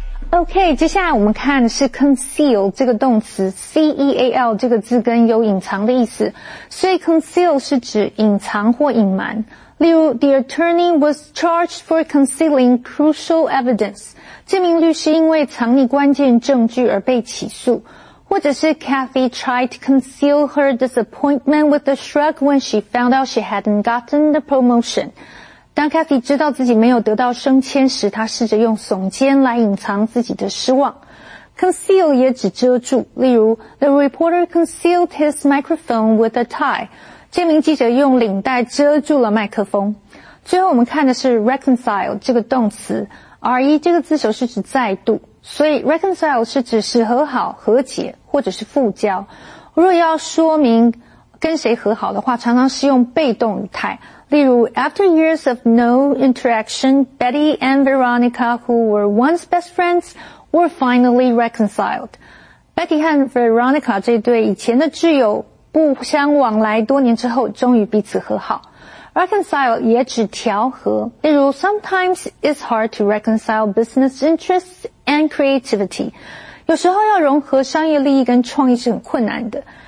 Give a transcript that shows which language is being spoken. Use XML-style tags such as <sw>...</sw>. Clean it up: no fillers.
<zh>OK, 接下来我们看的是 conceal 这个动词 ,C-E-A-L 这个字根有隐藏的意思。所以 conceal 是指隐藏或隐瞒。</zh> <en>例如 ,The attorney was charged for concealing crucial evidence.</en> <zh>这名律师因为藏匿关键证据而被起诉。或者是</zh> <en>Kathy tried to conceal her disappointment with a shrug when she found out she hadn't gotten the promotion.</en> <zh>当 Kathy 知道自己没有得到升迁时，她试着用耸肩来隐藏自己的失望。</zh> <en>Conceal</en> <zh>也指遮住，例如</zh> <en>The reporter concealed his microphone with a tie.</en> <zh>这名记者用领带遮住了麦克风。最后我们看的是 reconcile 这个动词 ，re 这个字首是指再度，所以 reconcile 是指使和好、和解或者是复交。若要说明跟谁和好的话，常常是用被动语态。</zh> <en>例如 ,after years of no interaction, Betty and Veronica, who were once best friends, were finally reconciled.</en> <zh>Becky 和 Veronica 这对以前的挚友不相往来多年之后终于彼此和好。 Reconcile 也指调和，例如</zh> <en>Sometimes it's hard to reconcile business interests and creativity，</en> <zh>有时候要融合商业利益跟创意是很困难的。</zh>